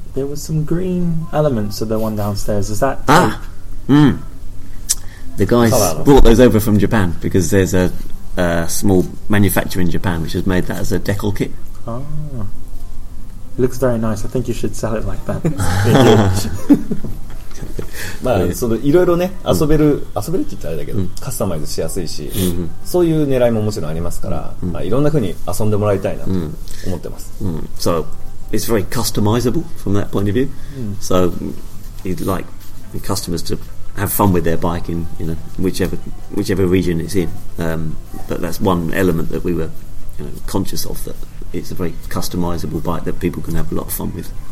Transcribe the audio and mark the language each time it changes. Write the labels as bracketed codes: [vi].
[en] there was some green elements of the one downstairs. Is that tape? Ah, mm. The guys brought those over from Japan, because there's a small manufacturer in Japan which has made that as a decal kit. Oh, it looks very nice. I think you should sell it like that. [ja] まあ、そのいろいろね、遊べる、うん、遊べるって言ったらあれだけど、うん、カスタマイズしやすいし、うんうん、そういう狙いももちろんありますから、うん、まあ、いろんな風に遊んでもらいたいなと思ってます、 [en] うん、So it's very customizable from that point of view、うん、 So you'd like the customers to have fun with their bike in, you know, whichever region it's in、but that's one element that we were, you know, conscious of, that it's a very customizable bike that people can have a lot of fun with。